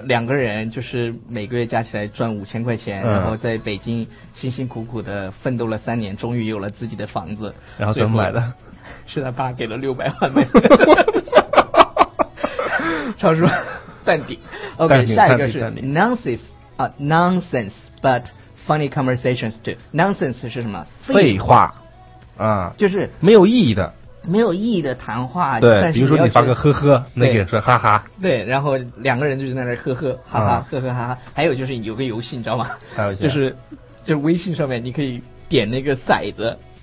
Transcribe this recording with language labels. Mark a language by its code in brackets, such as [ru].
[zh] 两个人，就是每个月加起来赚5000块钱、嗯，然后在北京辛辛苦苦的奋斗了3年，终于有了自己的房子。然后怎么买的？是他爸给了600万买的。超叔，淡定。 OK， 下一个是 nonsense。 [en] Nonsense, but funny conversations too. [zh] Nonsense 是什么？废话，啊，就是没有意义的，没有意义的谈话。对，比如说你发个呵呵，那个说哈哈。对，然后两个人就在那儿呵呵哈哈、嗯、呵呵哈哈。还有就是有个游戏，你知道吗？还有就是微信上面你可以点那个骰子，